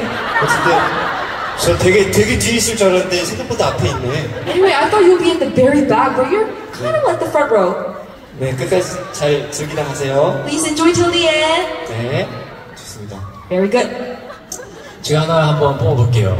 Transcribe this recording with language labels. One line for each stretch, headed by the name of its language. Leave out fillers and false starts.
Korean: 어쨌든 저 되게 뒤에 있을 줄 알았는데 생각보다 앞에 있네.
English: Anyway, I thought you'd be at the very back, but you're kind of like the front row.
Korean: 네, 끝까지 잘 즐기다 가세요.
English: Please enjoy till the end.
Korean: 네, 좋습니다.
English: Very good.
Korean: 제가 하나 한번 뽑아볼게요.